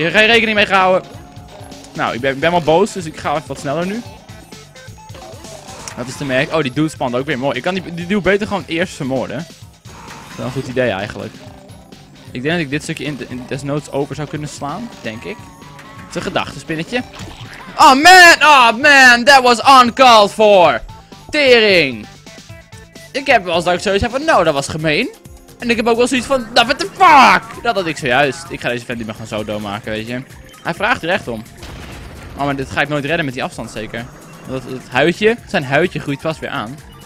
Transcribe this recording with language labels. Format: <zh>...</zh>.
<nl>Geen rekening mee gehouden. Nou, ik ben wel boos, dus ik ga even wat sneller nu. Dat is te merken. Oh, die dude spant ook weer. Mooi. Ik kan die dude beter gewoon eerst vermoorden. Dat is een goed idee eigenlijk. Ik denk dat ik dit stukje in desnoods open zou kunnen slaan, denk ik. Het is een gedachtenspinnetje.</nl> <en>Oh man, that was uncalled for.</en> <nl>Tering. Ik heb wel eens dat ik zoiets heb van, nou, dat was gemeen. En ik heb ook wel zoiets van, nah,</nl> <en>what the fuck.</en> <nl>Dat had ik zojuist. Ik ga deze vent niet meer gaan zo doodmaken, weet je. Hij vraagt er echt om. Oh, maar dit ga ik nooit redden met die afstand zeker. Dat huidje, zijn huidje groeit vast weer aan.</nl>